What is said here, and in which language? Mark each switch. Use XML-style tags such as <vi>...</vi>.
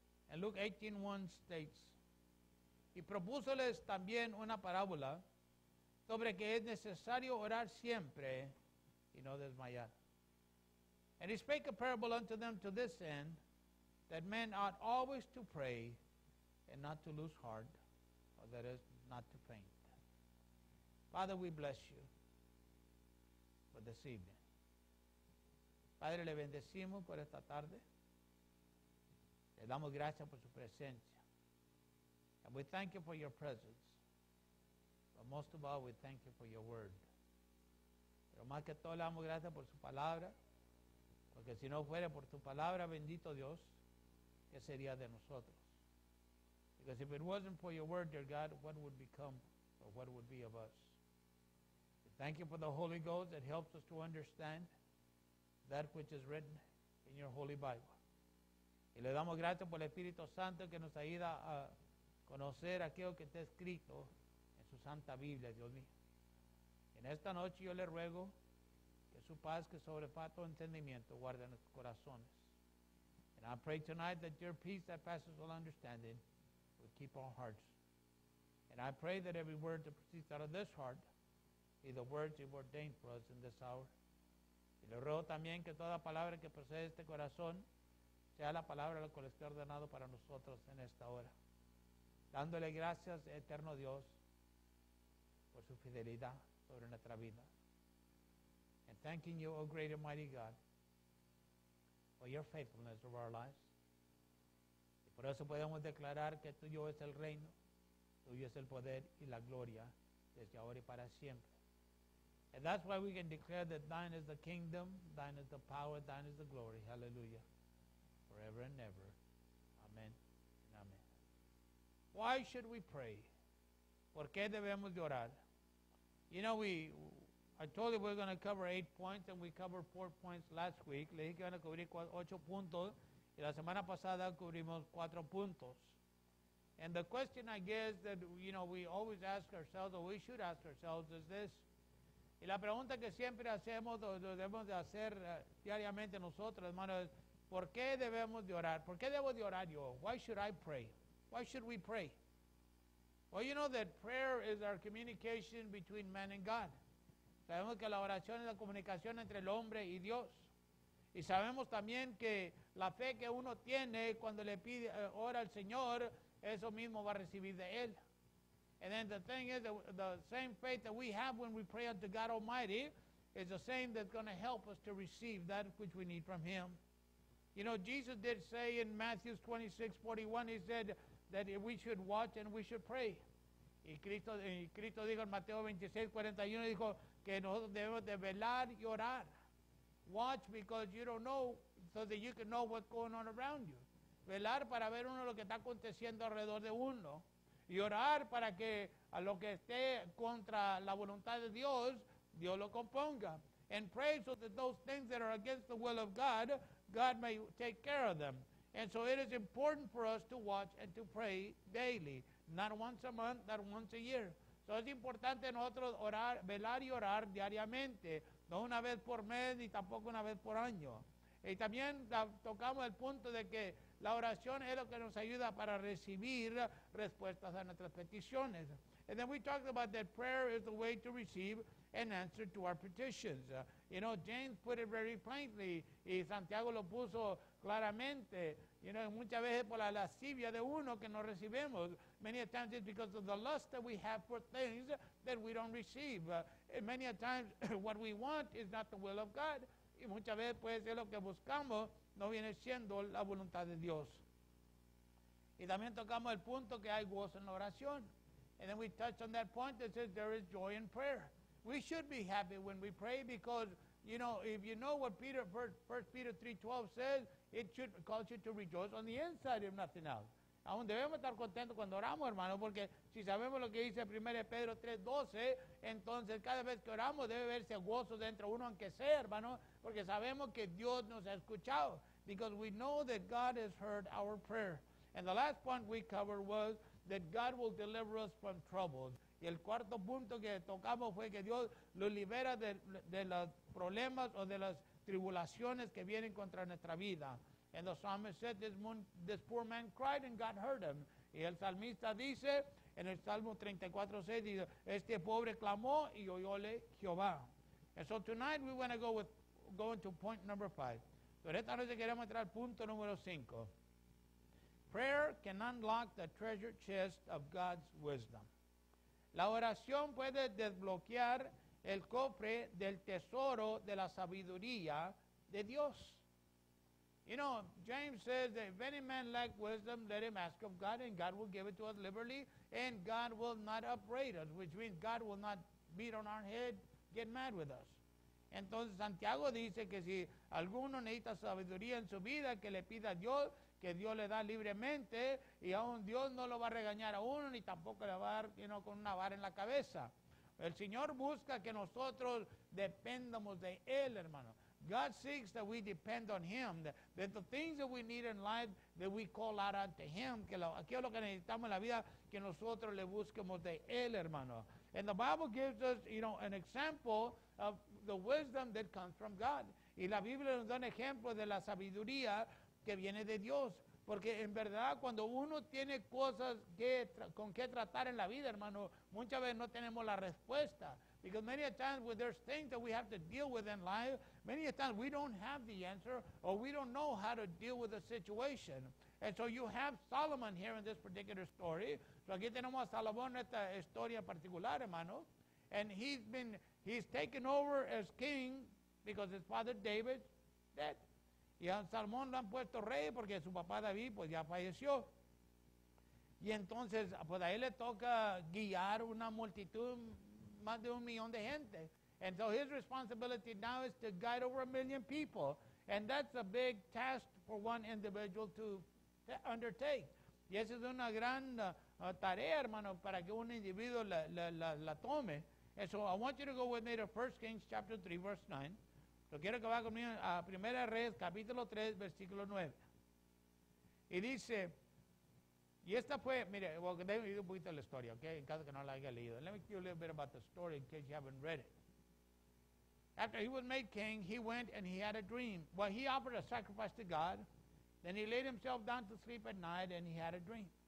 <es>En</es> <en>Luke 18:1 states,</en> <es>y propúsoles también una parábola sobre que es necesario orar siempre y no desmayar.</es> <en>And he spake a parable unto them to this end, that men ought always to pray and not to lose heart, or that is not to faint. Father, we bless you for this evening.</en> <es>Padre, le bendecimos por esta tarde. Le damos gracias por su presencia.</es> <en>And we thank you for your presence. But most of all, we thank you for your word.</en> <es>Pero más que todo, le damos gracias por su palabra. Porque si no fuera por tu palabra, bendito Dios, ¿qué sería de nosotros?</es> <en>Because if it wasn't for your word, dear God, what would become or what would be of us? We thank you for the Holy Ghost that helps us to understand that which is written in your Holy Bible.</en> <es>Y le damos gracias por el Espíritu Santo que nos ayuda a conocer aquello que está escrito en su Santa Biblia, Dios mío. En esta noche yo le ruego que su paz que sobrepasa todo entendimiento guarde nuestros corazones.</es> <en>And I pray tonight that your peace that passes all understanding will keep our hearts. And I pray that every word that proceeds out of this heart be the words you've ordained for us in this hour.</en> <es>Y le ruego también que toda palabra que procede de este corazón sea la palabra la cual esté ordenado para nosotros en esta hora. Dándole gracias, eterno Dios, por su fidelidad sobre nuestra vida.</es> <en>And thanking you, oh great and mighty God, for your faithfulness over our lives.</en> <es>Y por eso podemos declarar que tuyo es el reino, tuyo es el poder y la gloria desde ahora y para siempre.</es> <en>And that's why we can declare that thine is the kingdom, thine is the power, thine is the glory. Hallelujah. Forever and ever. Amen and amen. Why should we pray?</en> <es>¿Por qué debemos de orar?</es> <en>You know, I told you we're going to cover 8 points, and we covered 4 points last week.</en> <es>Le dije que iban a cubrir 8 puntos, y la semana pasada cubrimos 4 puntos.</es> <en>And the question, I guess, that, you know, we always ask ourselves, or we should ask ourselves, is this.</en> <es>Y la pregunta que siempre hacemos, o debemos de hacer diariamente nosotros, hermanos, es, ¿por qué debemos de orar? ¿Por qué debo de orar yo?</es> <en>Why should I pray? Why should we pray? Well, you know that prayer is our communication between man and God.</en> <es>Sabemos que la oración es la comunicación entre el hombre y Dios. Y sabemos también que la fe que uno tiene cuando le pide, ora al Señor, eso mismo va a recibir de Él.</es> <en>And then the thing is, the same faith that we have when we pray unto God Almighty is the same that's going to help us to receive that which we need from Him. You know, Jesus did say in Matthew 26:41, he said that we should watch and we should pray.</en> <es>Y Cristo dijo en Mateo 26:41, dijo que nosotros debemos de velar y orar.</es> <en>Watch because you don't know, so that you can know what's going on around you.</en> <es>Velar para ver uno lo que está aconteciendo alrededor de uno. Y orar para que a lo que esté contra la voluntad de Dios, Dios lo componga.</es> <en>And pray so that those things that are against the will of God, God may take care of them. And so it is important for us to watch and to pray daily. Not once a month, not once a year.</en> <es>So es importante nosotros orar, velar y orar diariamente. No una vez por mes ni tampoco una vez por año. Y también tocamos el punto de que la oración es lo que nos ayuda para recibir respuestas a nuestras peticiones.</es> <en>And then we talked about that prayer is the way to receive an answer to our petitions. You know, James put it very plainly,</en> <es>y Santiago lo puso claramente. You know, muchas veces por la lascivia de uno que no recibimos.</es> <en>Many a times it's because of the lust that we have for things that we don't receive. And many a times what we want is not the will of God.</en> <es>Y muchas veces pues es lo que buscamos no viene siendo la voluntad de Dios. Y también tocamos el punto que hay gozo en la oración.</es> <en>And then we touched on that point that says there is joy in prayer. We should be happy when we pray because, you know, if you know what Peter, 1 Peter 3:12 says, it should cause you to rejoice on the inside, if nothing else.</en> <es>Aún debemos estar contentos cuando oramos, hermano, porque si sabemos lo que dice 1 Pedro 3:12, entonces cada vez que oramos debe verse gozo dentro uno, aunque sea, hermano, porque sabemos que Dios nos ha escuchado.</es> <en>Because we know that God has heard our prayer. And the last point we covered was that God will deliver us from troubles.</en> <es>Y el cuarto punto que tocamos fue que Dios lo libera de los problemas o de las tribulaciones que vienen contra nuestra vida.</es> <en>And the psalmist said, this poor man cried and God heard him.</en> <es>Y el salmista dice, en el Salmo 34:6, dice, este pobre clamó y oyóle Jehová.</es> <en>And so tonight we want to go into point number 5.</en> <es>Pero esta noche queremos entrar al punto número 5.</es> <en>Prayer can unlock the treasure chest of God's wisdom.</en> <es>La oración puede desbloquear el cofre del tesoro de la sabiduría de Dios.</es> <en>You know, James says that if any man lack wisdom, let him ask of God, and God will give it to us liberally, and God will not upbraid us, which means God will not beat on our head, get mad with us.</en> <es>Entonces, Santiago dice que si alguno necesita sabiduría en su vida, que le pida a Dios, que Dios le da libremente, y aún Dios no lo va a regañar a uno, ni tampoco le va a dar, sino con una vara en la cabeza. El Señor busca que nosotros dependamos de Él, hermano.</es> <en>God seeks that we depend on Him, that the things that we need in life, that we call out unto Him,</en> <es>que aquí es lo que necesitamos en la vida, que nosotros le busquemos de Él, hermano.</es> <en>And the Bible gives us, you know, an example of the wisdom that comes from God.</en> <es>Y la Biblia nos da un ejemplo de la sabiduría que viene de Dios. Porque en verdad, cuando uno tiene cosas con que tratar en la vida, hermano, muchas veces no tenemos la respuesta.</es> <en>Because many a times when there's things that we have to deal with in life, many a times we don't have the answer or we don't know how to deal with the situation. And so you have Solomon here in this particular story.</en> <es>So aquí tenemos a Salomón en esta historia particular, hermano.</es> <en>And he's taken over as king because his father David's dead.</en> <es>Y a Salomón lo han puesto rey porque su papá David pues ya falleció. Y entonces pues a él le toca guiar una multitud más de 1,000,000 de gente.</es> <en>And so his responsibility now is to guide over 1,000,000 people. And that's a big task for one individual to undertake.</en> <es>Y esa es una gran tarea, hermano, para que un individuo la tome.</es> <en>And so I want you to go with me to 1 Kings chapter 3, verse 9.</en> <es>Lo quiero que vaya conmigo a Primera Reyes, capítulo 3, versículo 9. Y dice, y esta fue, mire, déjame leer un poquito la historia, okay, en caso que no la haya leído.</es> <en>Let me tell you a little bit about the story in case you haven't read it. After he was made king, he went and he had a dream. Well, he offered a sacrifice to God. Then he laid himself down to sleep at night and he had a dream.</en>